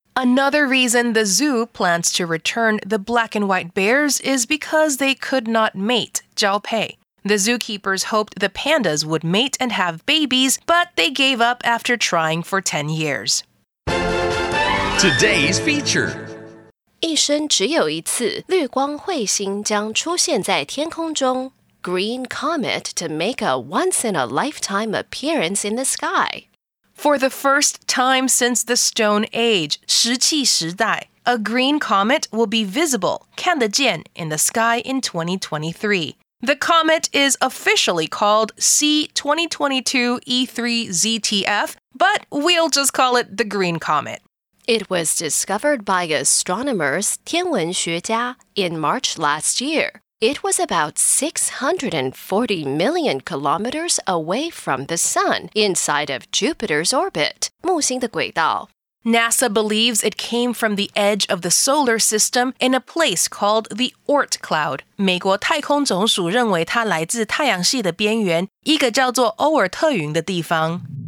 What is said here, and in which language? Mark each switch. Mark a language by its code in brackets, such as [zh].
[en] Another reason the zoo plans to return the black and white bears is because they could not mate, 交配. The zookeepers hoped the pandas would mate and have babies, but they gave up after trying for 10 years. Today's feature. [zh] 一生只有一次，绿光彗星将出现在天空中。 [en] Green comet to make a once-in-a-lifetime appearance in the sky. For the first time since the Stone Age, 石器时代, a green comet will be visible, 看得见, in the sky in 2023. The comet is officially called C-2022-E3-ZTF, but we'll just call it the green comet. It was discovered by astronomers 天文学家 in March last year. It was about 640 million kilometers away from the Sun, inside of Jupiter's orbit, 木星的轨道. NASA believes it came from the edge of the solar system in a place called the Oort cloud. [zh] 美国太空总署认为它来自太阳系的边缘, 一个叫做欧尔特云的地方.